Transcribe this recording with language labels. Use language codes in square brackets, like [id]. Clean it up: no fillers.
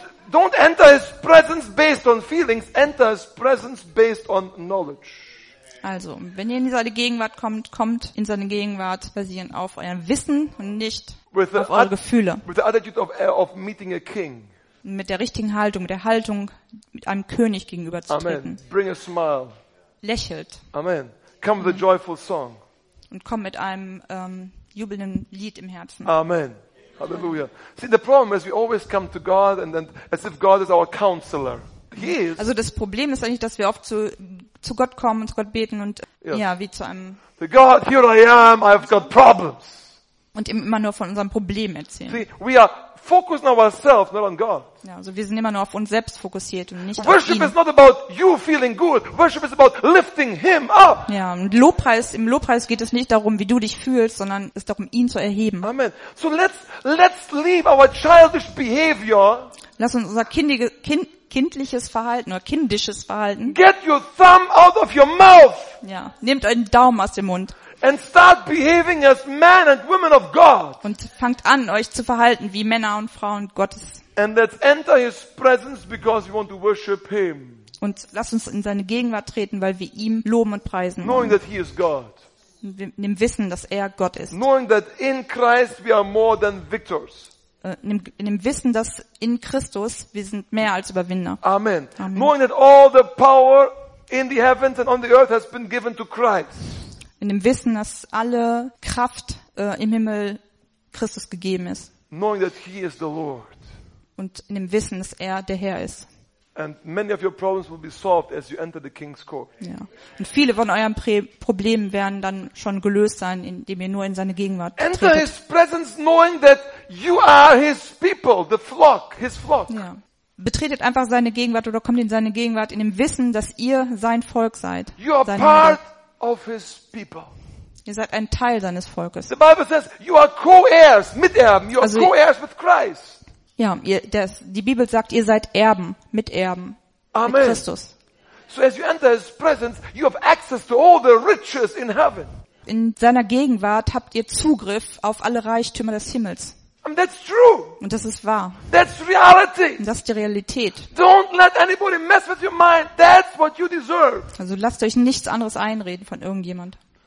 [en] Don't enter his presence based on feelings, enter his presence based on knowledge. [de] Also, wenn ihr in seine Gegenwart kommt, kommt in seine Gegenwart basierend auf eurem Wissen und nicht [en] with [de] auf eure Gefühle. [en] With the attitude of meeting a king. [de] Mit der richtigen Haltung, mit der Haltung, mit einem König gegenüber zu treten. [en] Amen. Bring a smile. [de] Lächelt. [en] Amen. Come with a joyful song. [de] Und komm mit einem jubelnden Lied im Herzen. [en] Amen. Hallelujah. See, the problem is we always come to God and then as if God is our counselor. He is. [de] Also das Problem ist eigentlich, dass wir oft zu Gott kommen und zu Gott beten und [en] yes. [de] Ja, wie zu einem [en] the God, here I am, I've got problems. [de] Und immer nur von unserem Problem erzählen. [en] See, we are focused on ourselves, not on God. [de] Ja, also wir sind immer nur auf uns selbst fokussiert und nicht [en] worship [de] auf ihn. [en] Is not about you feeling good. Worship is about lifting him up. [de] Ja, und Lobpreis, im Lobpreis geht es nicht darum, wie du dich fühlst, sondern es ist darum, ihn zu erheben. Amen. [en] So let's leave our childish behavior. [de] Lass uns unser kindliches Verhalten oder kindisches Verhalten. [en] Get your thumb out of your mouth. [de] Ja, nehmt euren Daumen aus dem Mund. [en] And start behaving as men and women of God. [de] Und fangt an, euch zu verhalten wie Männer und Frauen Gottes. [en] And let's enter his presence because we want to worship him. [de] Und lasst uns in seine Gegenwart treten, weil wir ihm loben und preisen. [en] Knowing that he is God. [de] In dem Wissen, dass er Gott ist. [en] Knowing that in Christ we are more than victors. [de] In dem Wissen, dass in Christus wir sind mehr als Überwinder. Amen. Amen. [en] Knowing that all the power in the heavens and on the earth has been given to Christ. [de] In dem Wissen, dass alle Kraft im Himmel Christus gegeben ist. [en] Knowing that he is the Lord. [de] Und in dem Wissen, dass er der Herr ist. [en] And many of your problems will be solved as you enter the king's court. [de] Ja. Und viele von euren Problemen werden dann schon gelöst sein, indem ihr nur in seine Gegenwart tretet. [en] Enter his presence knowing that you are his people, the flock, his flock. [de] Ja. Betretet einfach seine Gegenwart oder kommt in seine Gegenwart in dem Wissen, dass ihr sein Volk seid. [en] You are part of his people. [de] Ihr seid ein Teil seines Volkes. [en] The Bible says you are co-heirs, miterben, you are also, co-heirs with Christ. [de] Ja, die Bibel sagt, ihr seid Erben, Miterben Amen. Mit Christus. [en] So as you enter his presence, you have access to all the riches in heaven. [de] In seiner Gegenwart habt ihr Zugriff auf alle Reichtümer des Himmels. [en] And that's true. [de] Und das ist wahr. [en] That's reality. [de] Und das ist die Realität. [en] Don't let anybody mess with your mind. That's what you deserve. [de] Also lasst euch nichts anderes einreden von irgendjemand.